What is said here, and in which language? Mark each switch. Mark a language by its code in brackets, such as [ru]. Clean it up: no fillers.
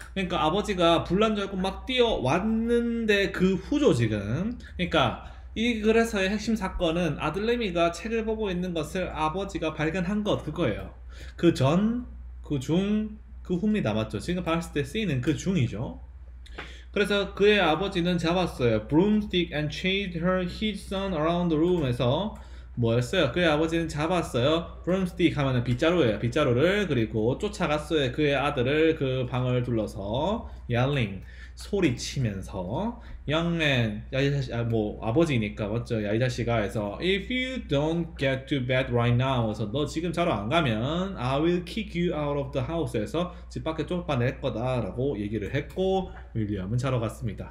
[ko] 그러니까 아버지가 불난 줄 알고 막 뛰어왔는데 그 후죠 지금. 그러니까 이 글에서의 핵심 사건은 아들내미가 책을 보고 있는 것을 아버지가 발견한 것, 그거예요. 그 전, 그 중, 그 후입니다. 맞죠? 지금 봤을 때 쓰이는 그 중이죠. 그래서 그의 아버지는 잡았어요. [en] Broomstick and chased her, his son around the room 에서 뭐였어요? [ko] 그의 아버지는 잡았어요. Broomstick 하면은 빗자루예요. 빗자루를. 그리고 쫓아갔어요. 그의 아들을 그 방을 둘러서 yelling, 소리치면서. Young man, 뭐 아버지니까 맞죠? 야 이 자식아 해서 If you don't get to bed right now 해서 너 지금 자러 안 가면 I will kick you out of the house 해서 집 밖에 쫓아낼 거다 라고 얘기를 했고 윌리엄은 자러 갔습니다.